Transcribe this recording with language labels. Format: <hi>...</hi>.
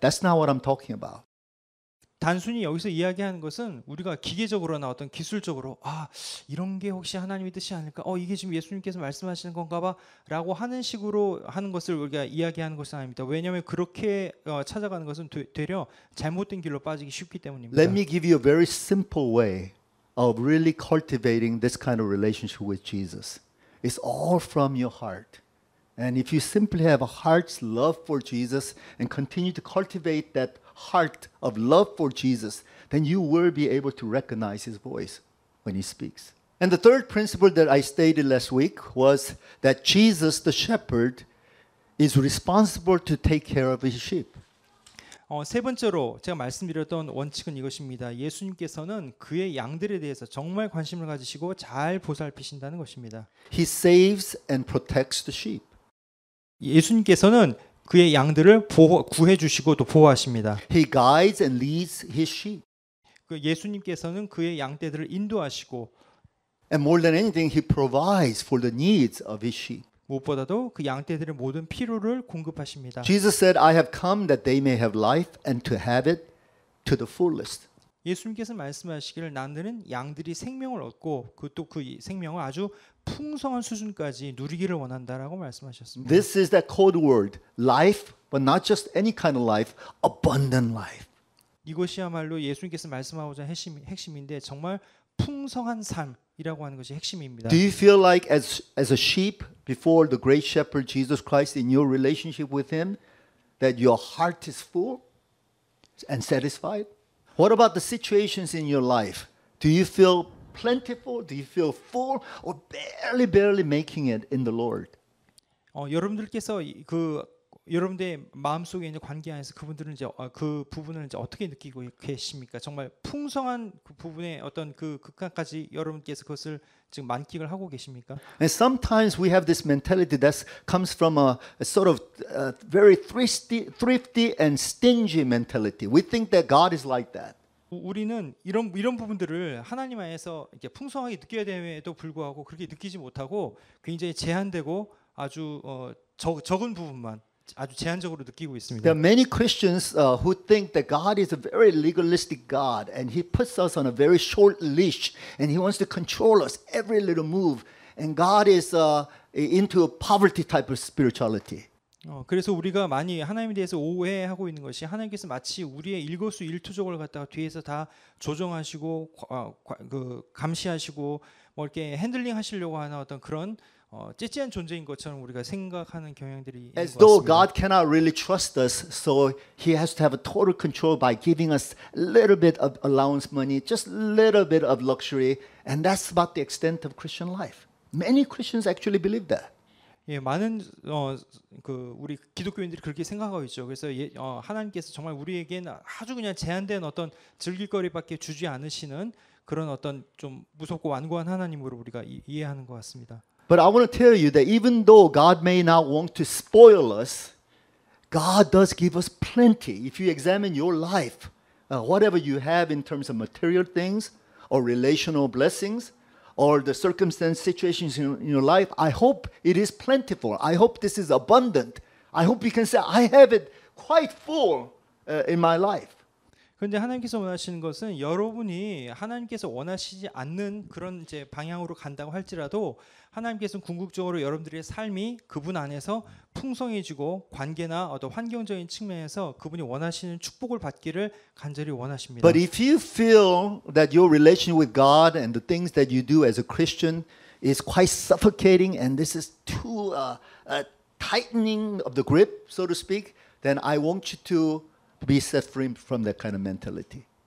<en>That's not what I'm talking about.</en> <ko>단순히 여기서 이야기하는 것은 우리가 기계적으로나 어떤 기술적으로 아 이런 게 혹시 하나님의 뜻이 아닐까? 이게 지금 예수님께서 말씀하시는 건가 봐 라고 하는 식으로 하는 것을 우리가 이야기하는 것은 아닙니다. 왜냐하면 그렇게 찾아가는 것은 되려 잘못된 길로 빠지기 쉽기 때문입니다.</ko> <en>Let me give you a very simple way of really cultivating this kind of relationship with Jesus. It's all from your heart. And if you simply have a heart's love for Jesus and continue to cultivate that heart of love for Jesus, then you will be able to recognize his voice when he speaks. And the third principle that I stated last week was that Jesus, the shepherd, is responsible to take care of his sheep.</en> <ko>세 번째로 제가 말씀드렸던 원칙은 이것입니다. 예수님께서는 그의 양들에 대해서 정말 관심을 가지시고 잘 보살피신다는 것입니다.</ko> <en>He saves and protects the sheep.</en> <ko>예수님께서는 그의 양들을 구해 주시고 또 보호하십니다.</ko> <en>He guides and leads his sheep.</en> <ko>예수님께서는 그의 양떼들을 인도하시고</ko> <en>And more than anything, he provides for the needs of his sheep.</en> <ko>무엇보다도 그 양떼들의 모든 필요를 공급하십니다.</ko> <en>Jesus said, I have come that they may have life and to have it to the fullest.</en> <ko>예수님께서 말씀하시기를 나는 양들이 생명을 얻고 그것도 그 생명을 아주 풍성한 수준까지 누리기를 원한다라고 말씀하셨습니다.</ko> <en>This is that code word, life, but not just any kind of life, abundant life.</en> <ko>이것이야말로 예수님께서 말씀하고자 한 핵심인데 정말 풍성한 삶이라고 하는 것이 핵심입니다.</ko> <en>Do you feel like as a sheep before the great shepherd Jesus Christ in your relationship with him that your heart is full and satisfied? What about the situations in your life? Do you feel plentiful? Do you feel full or barely making it in the Lord?</en> <ko>여러분들께서 그 여러분들의 마음속에 있는 관계 안에서 그분들은 이제 그 부분을 이제 어떻게 느끼고 계십니까? 정말 풍성한 그 부분의 어떤 그 극한까지 여러분께서 그것을 지금 만끽을 하고 계십니까?</ko> <en>And sometimes we have this mentality that comes from a sort of a very thrifty and stingy mentality. We think that God is like that.</en> <ko>우리는 이런 부분들을 하나님 안에서 이렇게 풍성하게 느껴야 됨에도 불구하고 그렇게 느끼지 못하고 굉장히 제한되고 아주 적은 부분만 아주 제한적으로 느끼고 있습니다.</ko> <en>There are many Christians who think that God is a very legalistic God and he puts us on a very short leash and he wants to control us every little move and God is into a poverty type of spirituality.</en> <ko>그래서 우리가 많이 하나님에 대해서 오해하고 있는 것이 하나님께서 마치 우리의 일거수일투족을 갖다가 뒤에서 다 조정하시고 감시하시고 뭐 이렇게 핸들링 하시려고 하는 어떤 그런 찌찌한 존재인 것처럼 우리가 생각하는 경향들이 있는 것 같습니다.</ko> <en>As though God cannot really trust us, so he has to have a total control by giving us a little bit of allowance money, just a little bit of luxury, and that's about the extent of Christian life. Many Christians actually believe that.</en> <ko>예, 많은 그 우리 기독교인들이 그렇게 생각하고 있죠. 그래서 예, 하나님께서 정말 우리에게는 아주 그냥 제한된 어떤 즐길거리밖에 주지 않으시는 그런 어떤 좀 무섭고 완고한 하나님으로 우리가 이해하는 것 같습니다.</ko> <en>But I want to tell you that even though God may not want to spoil us, God does give us plenty. If you examine your life, whatever you have in terms of material things or relational blessings or the circumstance situations in your life, I hope it is plentiful. I hope this is abundant. I hope you can say, I have it quite full in my life.</en> <ko>근데 하나님께서 원하시는 것은 여러분이 하나님께서 원하시지 않는 그런 이제 방향으로 간다고 할지라도 하나님께서는 궁극적으로 여러분들의 삶이 그분 안에서 풍성해지고 관계나 어떤 환경적인 측면에서 그분이 원하시는 축복을 받기를 간절히 원하십니다.</ko> <en>But if you feel that your relation with God and the things that you do as a Christian is quite suffocating and this is too tightening of the grip, so to speak, then I want you to be set free from that kind of mentality.</en>